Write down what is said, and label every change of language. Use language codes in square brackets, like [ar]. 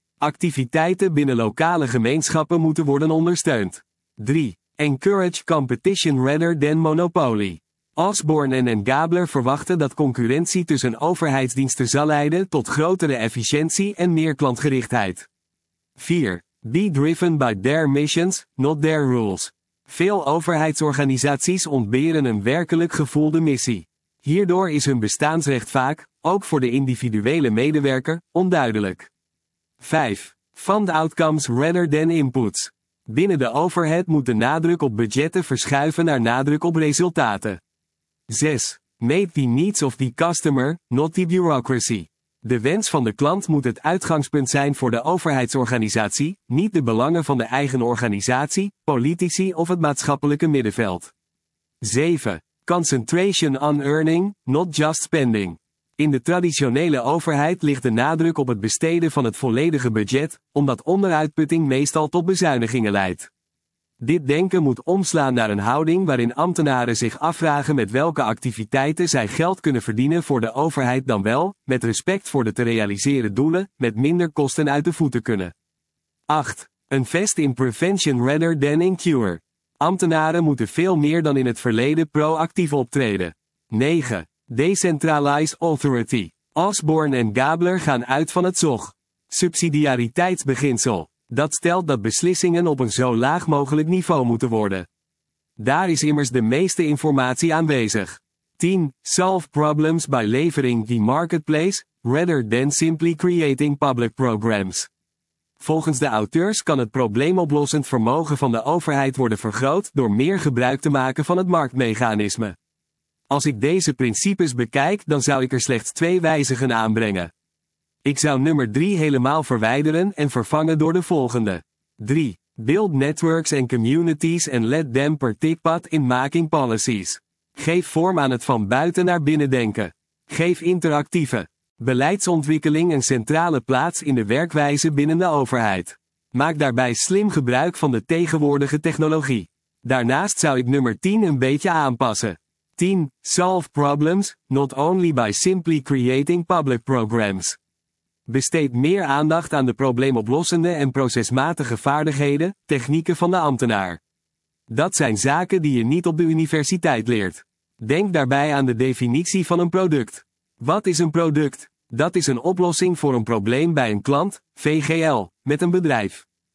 [nl] Activiteiten binnen lokale gemeenschappen moeten worden ondersteund. 3. [en] Encourage competition rather than monopoly. [nl] Osborne en Gabler verwachten dat concurrentie tussen overheidsdiensten zal leiden tot grotere efficiëntie en meer klantgerichtheid. 4. [en] Be driven by their missions, not their rules. [nl] Veel overheidsorganisaties ontberen een werkelijk gevoelde missie. Hierdoor is hun bestaansrecht vaak, ook voor de individuele medewerker, onduidelijk. 5. [en] Fund outcomes rather than inputs. [nl] Binnen de overheid moet de nadruk op budgetten verschuiven naar nadruk op resultaten. 6. [en] Meet the needs of the customer, not the bureaucracy. [nl] De wens van de klant moet het uitgangspunt zijn voor de overheidsorganisatie, niet de belangen van de eigen organisatie, politici of het maatschappelijke middenveld. 7. [en] Concentration on earning, not just spending. [nl] In de traditionele overheid ligt de nadruk op het besteden van het volledige budget, omdat onderuitputting meestal tot bezuinigingen leidt. Dit denken moet omslaan naar een houding waarin ambtenaren zich afvragen met welke activiteiten zij geld kunnen verdienen voor de overheid dan wel, met respect voor de te realiseren doelen, met minder kosten uit de voeten kunnen. 8. [en] Invest in prevention rather than in cure. [nl] Ambtenaren moeten veel meer dan in het verleden proactief optreden. 9. [en] Decentralize authority. [nl] Osborne en Gabler gaan uit van het SOG. Subsidiariteitsbeginsel. Dat stelt dat beslissingen op een zo laag mogelijk niveau moeten worden. Daar is immers de meeste informatie aanwezig. 10. [en] Solve problems by levering the marketplace, rather than simply creating public programs. [nl] Volgens de auteurs kan het probleemoplossend vermogen van de overheid worden vergroot door meer gebruik te maken van het marktmechanisme. Als ik deze principes bekijk, dan zou ik er slechts 2 wijzigen aanbrengen. Ik zou nummer 3 helemaal verwijderen en vervangen door de volgende. 3. [en] Build networks and communities and let them participate in making policies. [nl] Geef vorm aan het van buiten naar binnen denken. Geef interactieve beleidsontwikkeling een centrale plaats in de werkwijze binnen de overheid. Maak daarbij slim gebruik van de tegenwoordige technologie. Daarnaast zou ik nummer 10 een beetje aanpassen. 10. [en] Solve problems, not only by simply creating public programs. [nl] Besteed meer aandacht aan de probleemoplossende en procesmatige vaardigheden, technieken van de ambtenaar. Dat zijn zaken die je niet op de universiteit leert. Denk daarbij aan de definitie van een product. Wat is een product? Dat is een oplossing voor een probleem bij een klant, VGL, met een bedrijf.